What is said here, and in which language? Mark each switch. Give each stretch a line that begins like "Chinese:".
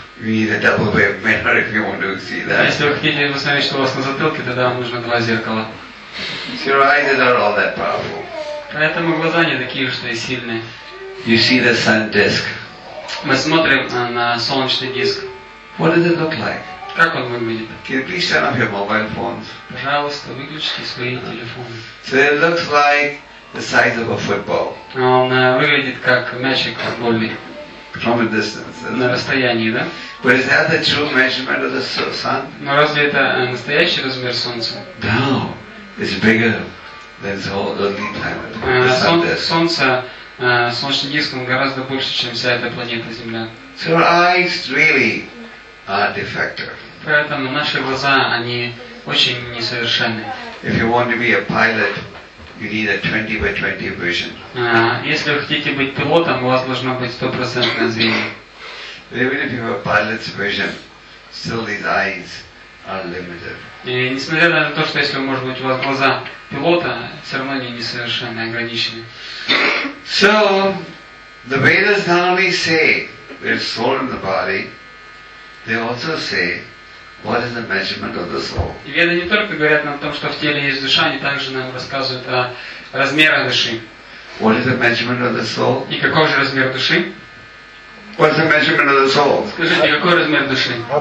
English: You need a double bay mirror if you want to see that.
Russian: Если вы хотите посмотреть, что у вас на затылке, тогда вам нужно два зеркала.
English: See, your eyes are all that powerful.
Russian: Поэтому глаза не такие уж и сильные.
English: You see the sun disk.
Russian: Мы смотрим на солнечный диск.
English: What does it look like?
Russian: Как он выглядит?
English: Can you please turn off your mobile phones?
Russian: Пожалуйста, выключите свои телефоны.
English: So it looks like the size of a football.
Russian: Он выглядит как мячик футбольный.
English: From a distance.
Russian: На расстоянии, да?
English: But is that the true measurement of the sun?
Russian: Но разве это настоящий размер солнца?
English: No, it's bigger than the whole Earthly planet.
Russian: Солнечный диск гораздо больше, чем вся эта планета Земля.
English: So our eyes really are defective.
Russian: Поэтому наши глаза, они очень несовершенный.
English: If you want to be a pilot, you need a 20 by 20 vision.
Russian: Если вы хотите быть пилотом, у вас должно быть 100% зрение.
English: Even if you have a pilot's vision, still these eyes are limited.
Russian: И несмотря на то, что если, может быть, у вас глаза пилота, все равно они несовершенны, ограничены.
English: So the Vedas not only say there's soul in the body, they also say what is the measurement of the soul.
Russian: Веды не только говорят нам о том, что в теле есть душа, они также нам рассказывают о размерах души.
English: What is the measurement of the soul?
Russian: И каков же размер души?
English: What's the measurement of the soul?
Russian: Скажите, какой размер души?